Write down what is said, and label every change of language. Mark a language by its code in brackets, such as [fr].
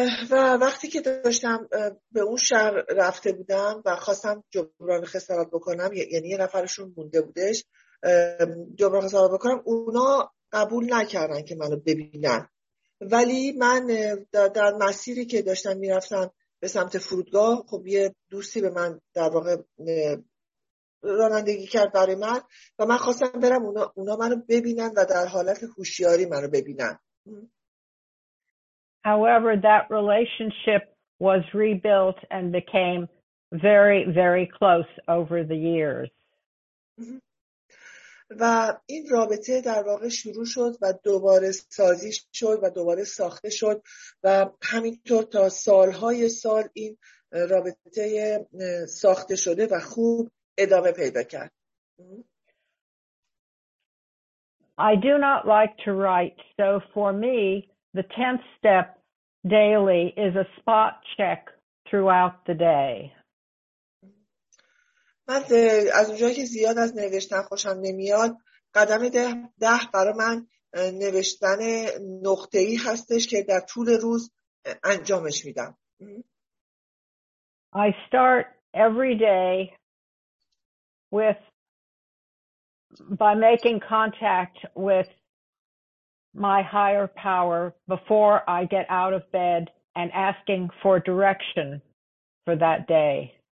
[fa] و وقتی که داشتم به اون شهر رفته بودم و خواستم جبران خسارت بکنم یعنی یه نفرشون مونده بودش جبران خسارت بکنم اونا قبول نکردن که منو ببینن ولی من در مسیری که داشتم میرفتم به سمت فرودگاه خب یه دوستی به من در واقع رانندگی کرد برای من و من خواستم برم اونا منو ببینن و در حالت هوشیاری منو ببینن. [en] However, that relationship was rebuilt and became very, very close over the years. [fa] و این رابطه در واقع شروع شد و دوباره سازی شد و دوباره ساخته شد و همینطور تا سالهای سال این رابطه ساخته شده و خوب ادامه پیدا کرد. [en] I do not like to write, so for me, the 10th step daily is a spot check throughout the day. [fa] من از اونجایی که زیاد از نوشتن خوشم نمیاد قدم ده برای من نوشتن نقطه‌ای هستش که در طول روز انجامش میدم. [en] I start every day with by making contact with my higher power before I get out of bed and asking for direction for that day.